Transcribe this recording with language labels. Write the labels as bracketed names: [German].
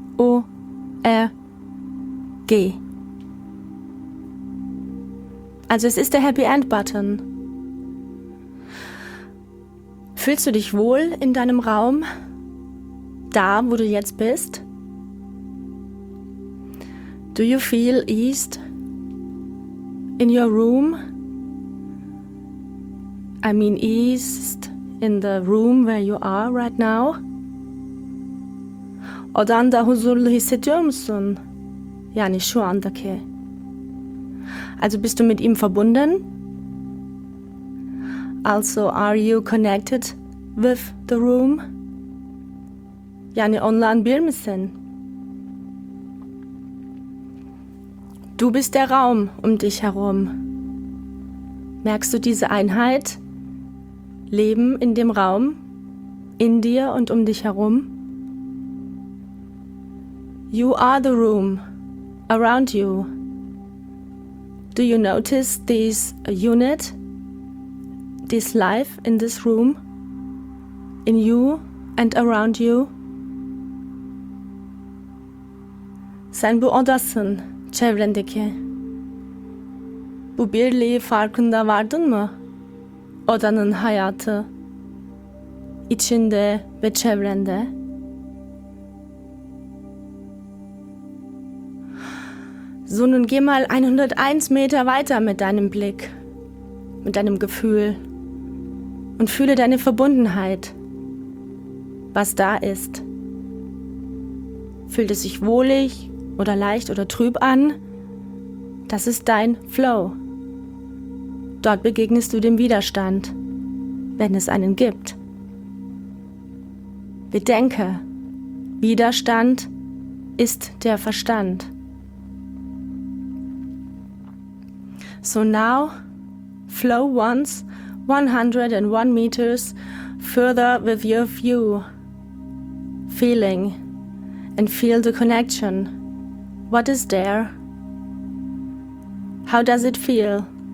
[German] Bermuda Funk.org. Also es ist der Happy End Button. Fühlst du dich wohl in deinem Raum? Da, wo du jetzt bist? [English] Do you feel eased in your room? I mean eased in the room where you are right now? [German] Oder [Turkish] da huzurlu hissediyor musun? Yani şu andaki. [German] Also bist du mit ihm verbunden? [English] Also are you connected with the room? [Turkish] Yani online bir misin? [German] Du bist der Raum um dich herum. Merkst du diese Einheit? Leben in dem Raum, in dir und um dich herum? [English] You are the room around you. Do you notice this unit, this life in this room, in you and around you? [Turkish] Sen bu odasın, çevrendeki. Bu birliği farkında vardın mı? Odanın hayatı, içinde ve çevrende. [German] So, nun geh mal 101 Meter weiter mit deinem Blick, mit deinem Gefühl und fühle deine Verbundenheit, was da ist. Fühlt es sich wohlig oder leicht oder trüb an? Das ist dein Flow. Dort begegnest du dem Widerstand, wenn es einen gibt. Bedenke, Widerstand ist der Verstand. [English] So now, flow once 101 meters further with your view, feeling, and feel the connection. What is there? How does it feel?